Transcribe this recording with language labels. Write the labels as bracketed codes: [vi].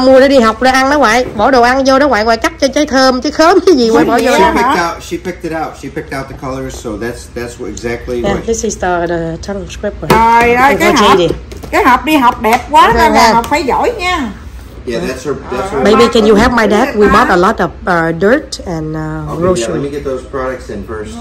[vi] mua để đi học để ăn đó ngoại. Bỏ đồ ăn vô đó ngoại, ngoại cắt cho trái thơm, trái khóm cái gì ngoại bỏ vô đó hả? [en] She picked it out. She picked out the colors, so that's what exactly. Yeah, this is the tongue script. [vi] Trời ơi, cái hộp đi học đẹp quá nên là học phải giỏi nha. [en] Yeah, that's her. Maybe can you help my dad? We bought a lot of dirt and groceries. Okay, yeah, let me get those products in first.